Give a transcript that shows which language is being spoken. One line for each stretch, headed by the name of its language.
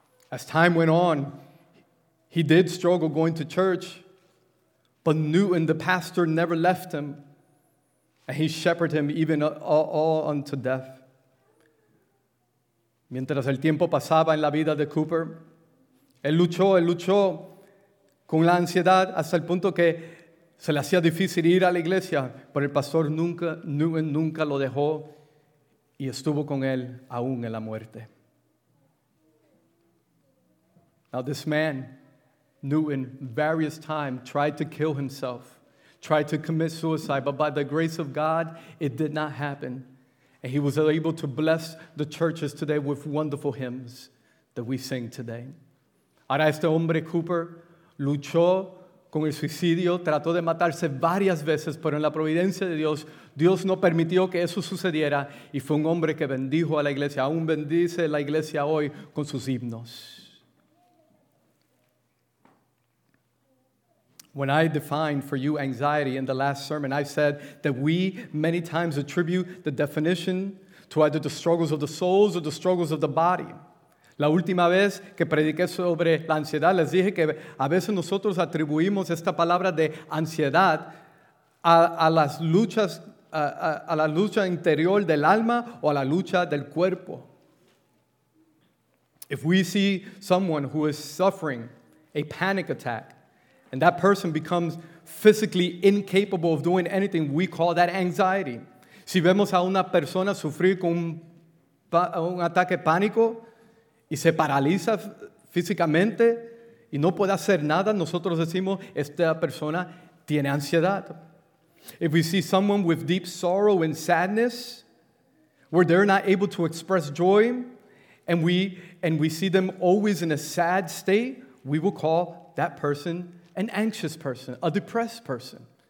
English: As time went on, he did struggle going to church. But Newton, the pastor, never left him. And he shepherded him even all unto death.
Spanish: Mientras el tiempo pasaba en la vida de Cooper, él luchó con la ansiedad hasta el punto que se le hacía difícil ir a la iglesia, pero el pastor nunca lo dejó y estuvo con él aún en la muerte.
English: Now this man, Newton, various times tried to kill himself, tried to commit suicide, but by the grace of God, it did not happen. And he was able to bless the churches today with wonderful hymns that we sing today.
Spanish: Ahora este hombre, Cooper, luchó con el suicidio, trató de matarse varias veces, pero en la providencia de Dios, Dios no permitió que eso sucediera y fue un hombre que bendijo a la iglesia. Aún bendice la iglesia hoy con sus himnos.
English: When I defined for you anxiety in the last sermon, I said that we many times attribute the definition to either the struggles of the souls or the struggles of the body.
Spanish: La última vez que prediqué sobre la ansiedad, les dije que a veces nosotros atribuimos esta palabra de ansiedad a la lucha interior del alma o a la lucha del cuerpo.
English: If we see someone who is suffering a panic attack, and that person becomes physically incapable of doing anything, we call that anxiety.
Spanish: Si vemos a una persona sufrir con un ataque pánico, y se paraliza físicamente y no puede hacer nada, nosotros decimos, esta persona tiene ansiedad.
English: If we see someone with deep sorrow and sadness, where they're not able to express joy, and we see them always in a sad state, we will call that person an anxious person, a depressed person.